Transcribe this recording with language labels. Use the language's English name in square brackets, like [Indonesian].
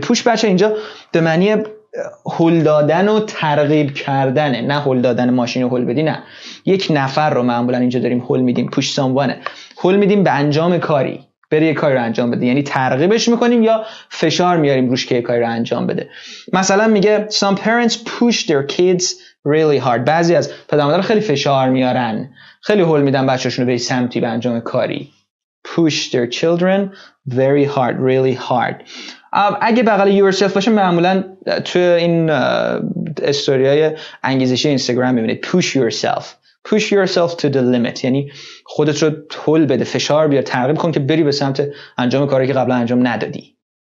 [Persian] push بچه اینجا به معنی هل دادن و ترغیب کردنه، نه هل دادن ماشین رو هل بدی، نه. یک نفر رو معمولا اینجا داریم هل میدیم، پوش سانوانه، هل میدیم به انجام کاری، بری یک کاری رو انجام بده، یعنی ترغیبش میکنیم یا فشار میاریم روش که یک کاری رو انجام بده. مثلا میگه [English] some parents push their kids really hard. [Persian] بعضی از پدرمادرها خیلی فشار میارن، خیلی هل میدن بچه‌شون رو به سمتی به انجام کاری. [English] push their children very hard، really hard. [Persian] اگه بغل yourself باشه معمولا تو این استوریای انگیزشی اینستاگرام میبینید [English] push yourself to the limit، [Persian] یعنی خودت رو هل بده، فشار بیار، ترغیب کن که بری به سمت انجام کاری که قبلا انجام ندادی.